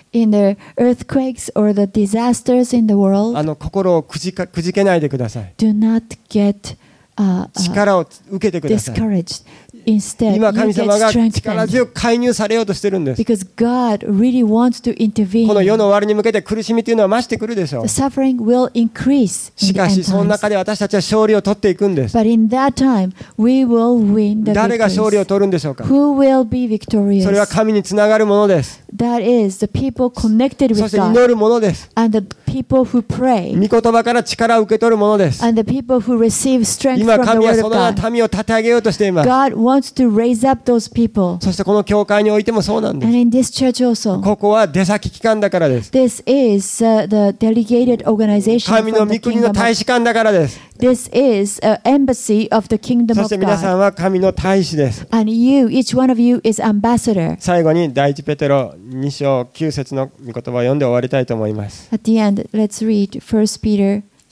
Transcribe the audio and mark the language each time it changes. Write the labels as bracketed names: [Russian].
[English] in the earthquakes or the disasters in the world, [Japanese] 心をくじけないでください。 [English] Do not get [Japanese] 力を受けてください。 [English] Discouraged. Instead, [Japanese] 今神様が力強く介入されようとしてるんです。 [English] Because God really wants to intervene. [Japanese] この世の終わりに向けて苦しみというのは増してくるでしょう。 [English] The suffering will increase. [Japanese] しかしその中で私たちは勝利を取っていくんです。 [English] But in that time, we will win the victory. [Japanese] 誰が勝利を取るんでしょうか。 [English] Who will be victorious? [Japanese] それは神につながるものです。 [English] That is the people connected with God. [Japanese] そして祈るものです。 [English] And the people who pray. [Japanese] 御言葉から力を受け取るものです。 [English] And the people who receive strength from the word of God. [Japanese] 今神はその民を立て上げようとしています。 [English] God wants to raise up those people. [Japanese] そしてこの教会においてもそうなんです。 [English] And in this church also. [Japanese] ここは出先機関だからです。 [English] This is the delegated organization. [Japanese] 神の御国の大使館だからです。 [English] This is an embassy of the kingdom of God. [Japanese] そして皆さんは神の大使です。 [English] And you, each one of you, is ambassador. [Japanese] 最後に第一ペテロ2章9節の御言葉を読んで終わりたいと思います。 [English] At the end, let's read 1 Peter